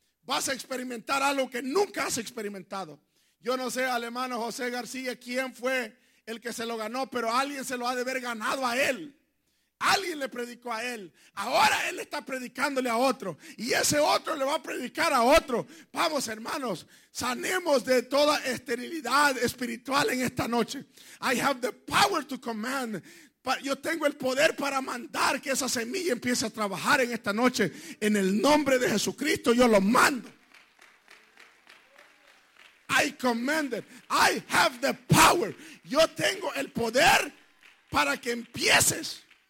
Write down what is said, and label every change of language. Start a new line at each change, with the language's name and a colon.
Spanish: Vas a experimentar algo que nunca has experimentado. Yo no sé al hermano José García quién fue el que se lo ganó, pero alguien se lo ha de haber ganado a él. Alguien le predicó a él. Ahora él está predicándole a otro. Y ese otro le va a predicar a otro. Vamos, hermanos, sanemos de toda esterilidad espiritual en esta noche.
English: I have the power to command.
Spanish: Yo tengo el poder para mandar que esa semilla empiece a trabajar en esta noche. En el nombre de Jesucristo, yo lo mando.
English: I command it. I have the power.
Spanish: Yo tengo el poder para que empieces.